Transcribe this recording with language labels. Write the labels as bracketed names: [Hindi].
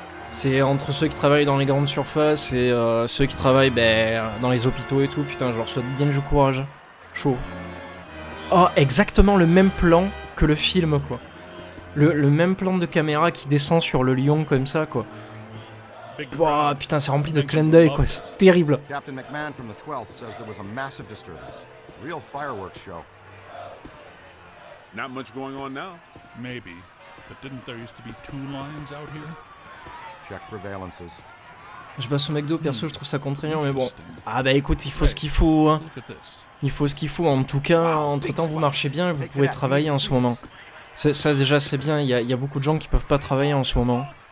[French] C'est entre ceux qui travaillent dans les grandes surfaces et ceux qui travaillent dans les hôpitaux et tout. Putain, je leur souhaite bien du courage. Chaud. Oh, exactement le même plan que le film, quoi. Le même plan de caméra qui descend sur le lion comme ça, quoi. Boah, putain, c'est rempli de clins d'œil, quoi, c'est terrible. [English] Captain McMahon from the 12th says there was a massive disturbance. Real fireworks show. Not much going on now. Maybe. But didn't there used to be two lines out here? Check for valences. [French] Je bosse au McDo, perso, je trouve ça contraignant, mais bon. Ah bah écoute, il faut ce qu'il faut, hein. Il faut ce qu'il faut, en tout cas, entre-temps, vous marchez bien et vous pouvez travailler en ce moment. C'est, ça déjà, c'est bien, il y a beaucoup de gens qui peuvent pas travailler en ce moment.